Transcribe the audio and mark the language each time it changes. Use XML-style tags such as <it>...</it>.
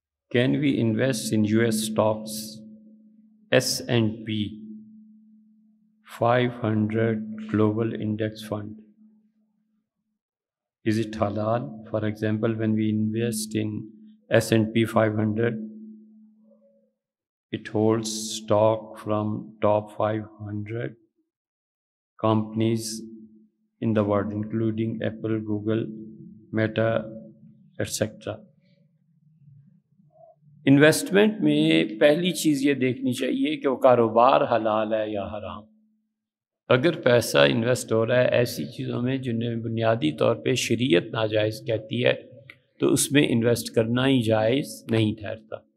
<en>Can we invest in US stocks S&P 500 global index fund? Is it halal? For example, when we invest in S&P 500, it holds stock from top 500 companies in the world, including Apple, Google, Meta, etc.</en> <ur>Investment میں پہلی چیز یہ دیکھنی چاہیے کہ وہ کاروبار حلال ہے یا حرام۔ اگر پیسہ انویسٹ ہو رہا ہے ایسی چیزوں میں جنہیں بنیادی طور پہ شریعت ناجائز کہتی ہے، تو اس میں انویسٹ کرنا ہی جائز نہیں ٹھہرتا۔</ur>